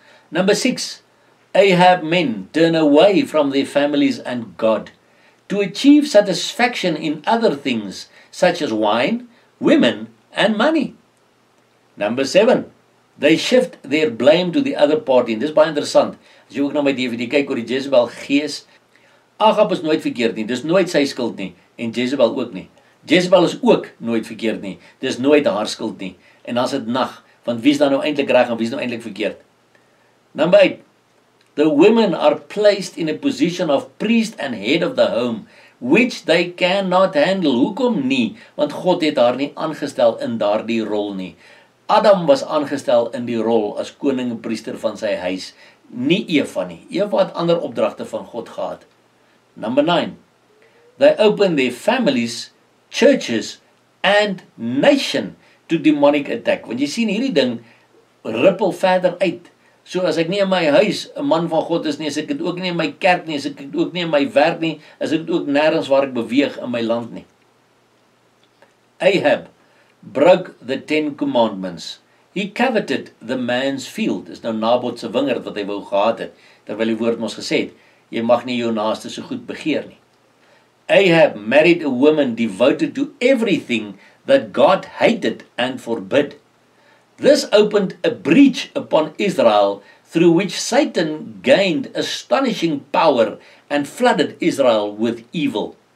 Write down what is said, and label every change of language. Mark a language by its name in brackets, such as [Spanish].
[English] Number 6, Ahab men turn away from their families and God to achieve satisfaction in other things such as wine, women and money. Number 7, they shift their blame to the other party, and this is [Afrikaans] baie interessant. As jy ook na my DVD kyk oor die Jezebel gees, Ahab is nooit verkeerd nie, dis nooit sy skuld nie, en Jezebel ook nie. Jezebel is ook nooit verkeerd nie, dis nooit haar skuld nie, en as het nag, want wie is dan nou eindelijk reg en wie is nou eindelijk verkeerd? [English] Number 8, the women are placed in a position of priest and head of the home, which they cannot handle. [Afrikaans] Hoekom nie? Want God het haar nie aangestel in daar die rol nie. Adam was aangestel in die rol as koning en priester van sy huis, nie Eva nie. Eva het ander opdragte van God gehad. [English] Number 9, they open their families, churches and nation to demonic attack. [Afrikaans] Want jy sien hierdie ding rippel verder uit. So as ek nie in my huis een man van God is nie, as ek het ook nie in my kerk nie, as ek het ook nie in my werk nie, as ek het ook nergens waar ek beweeg in my land nie. [English] Ahab broke the Ten Commandments. He coveted the man's field. [Afrikaans] Dis nou Naboth se wingerd wat hy wou gehad het, terwyl die woord ons gesê het, jy mag nie jou naaste so goed begeer nie. [English] Ahab married a woman devoted to everything that God hated and forbid. This opened a breach upon Israel through which Satan gained astonishing power and flooded Israel with evil.